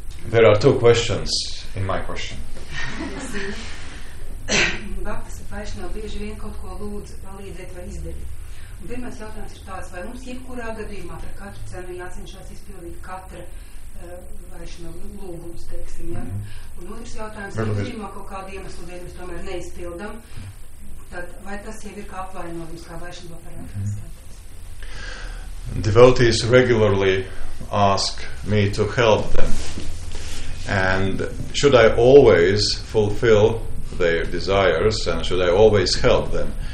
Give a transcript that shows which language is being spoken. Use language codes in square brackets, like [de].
[en] There are two questions in my question. [lv] Baptisti paši nav bieži vien kaut ko lūdzu palīdzēt vai izdarīt. Un pirmais jautājums ir tāds, vai mums jebkurā gadījumā par katru cenu jācenšās izpildīt katra vaišņo lūgums, teiksim, ja? Un otrs jautājums, ja gadījumā kaut kādu iemeslu dēļ mēs tomēr neizpildam, tad vai tas jau ir kā apvainojums, kā vaišņo parādās? [en] Devotees regularly ask me to help them. And should I always fulfill their desires and should I always help them?